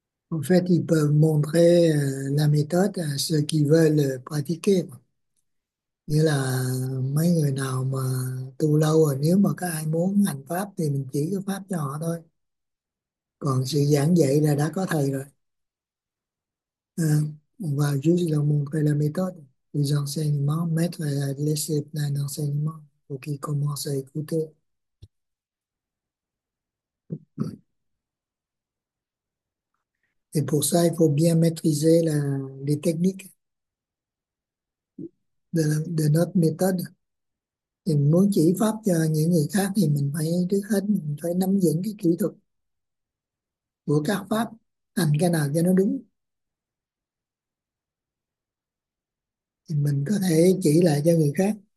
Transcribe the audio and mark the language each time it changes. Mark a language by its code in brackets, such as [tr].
[fr] En fait, ils peuvent montrer la méthode à ceux qui veulent pratiquer. [vi] Nghĩa là mấy người nào mà tu lâu rồi, nếu mà có ai muốn hành pháp thì mình chỉ cái pháp cho họ thôi. Còn sự giảng dạy là đã có thầy rồi. À, và [fr] juste leur montrer la méthode. les enseignements, mettre à laisser plein d'enseignements pour qu'ils commencent à écouter. Et pour ça, il faut bien maîtriser les techniques de notre méthode. [vi] Et muốn chỉ pháp cho những người khác thì mình phải trước hết mình phải nắm vững cái kỹ thuật của các pháp, hành cái nào cho nó đúng. Thì mình có thể chỉ lại cho người khác.